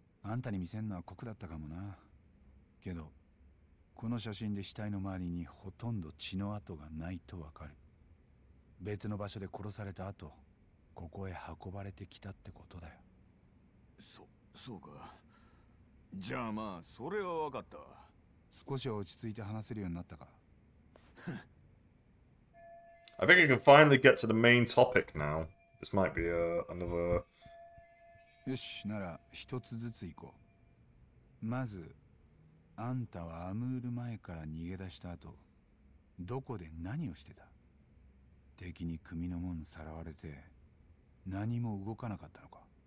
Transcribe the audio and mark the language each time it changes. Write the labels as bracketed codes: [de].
[ja] あんたに見せんのは酷だったかもな。けど、この写真で死体の周りにほとんど血の跡がないとわかる。別の場所で殺された後、ここへ運ばれてきたってことだよ。そうか。じゃあまあ、それはわかった。少しは落ち着いて話せるようになったか。 [en] I think I can finally get to the main topic now. This might be another... [ja] よし、なら一つずつ行こう。まず、あんたはアムール前から逃げ出した後、どこで何をしてた？敵に組の門さらわれて、何も動かなかったのか？